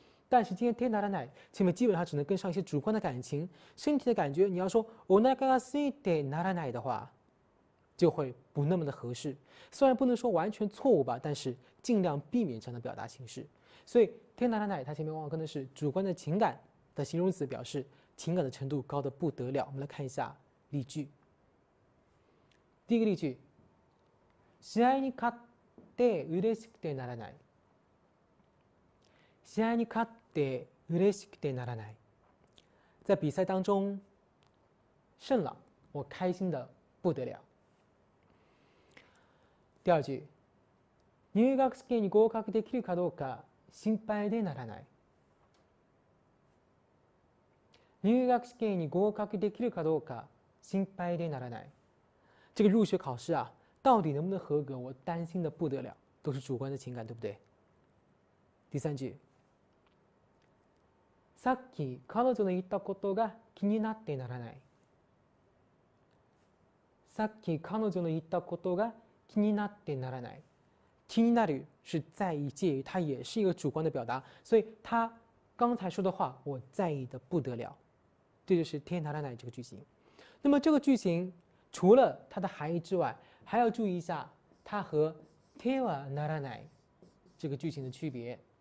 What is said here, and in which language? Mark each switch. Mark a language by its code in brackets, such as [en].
[zh] 但是今天テナラナイ前面基本上只能跟上一些主观的感情，身体的感觉你要说 [ja] オナガガスイテナラナイ [zh] 的话，就会不那么的合适。虽然不能说完全错误吧，但是尽量避免这样的表达形式。所以テナラナイ它前面往往跟的是主观的情感。的形容词表示情感的程度高得不得了。我们来看一下例句。第一个例句， [ja] 試合に勝って嬉しくてならない。試合に勝って嬉しくてならない。 [zh] 在比赛当中胜了，我开心的不得了。第二句， [ja] 入学試験に合格できるかどうか心配でならない。入学試験に合格できるかどうか心配でならない。 [zh] 这个入学考试啊，到底能不能合格，我担心的不得了，都是主观的情感，对不对？第三句， [ja] さっき彼女の言ったことが気になってならない。さっき彼女の言ったことが気になってならない。 [zh] 気になる是在意、介意，它也是一个主观的表达，所以它。刚才说的话我在意的不得了，这就是テナラナイ这个句型。那么这个句型除了它的含义之外，还要注意一下它和テワナラナイ这个句型的区别。